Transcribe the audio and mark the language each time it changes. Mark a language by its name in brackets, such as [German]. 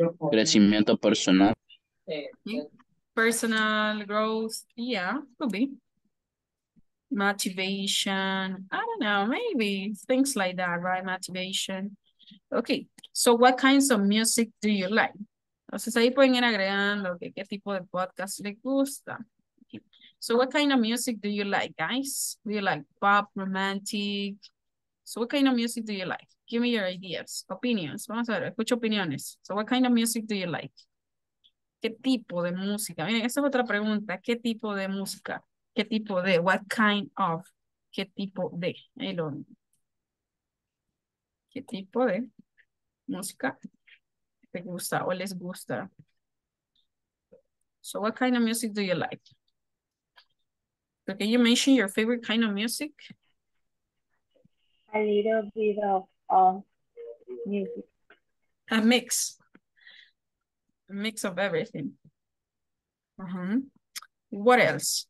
[Spanish] Crecimiento personal. [English] Personal growth, yeah, could be. Motivation, I don't know, maybe things like that, right? Motivation. Okay, so what kinds of music do you like? [Spanish] Entonces ahí pueden ir agregando que qué tipo de podcast les gusta. [English] So what kind of music do you like, guys? Do you like pop, romantic? So what kind of music do you like? Give me your ideas, opinions. [Spanish] Vamos a ver, escucho opiniones. [English] So what kind of music do you like? [Spanish] ¿Qué tipo de música? Miren, esa es otra pregunta. ¿Qué tipo de música? ¿Qué tipo de? [English] What kind of? [Spanish] ¿Qué tipo de? Ahí lo... ¿Qué tipo de música te gusta o les gusta? [English] So what kind of music do you like? So can you mention your favorite kind of music? A little bit of music. A mix. A mix of everything. Uh-huh. What else?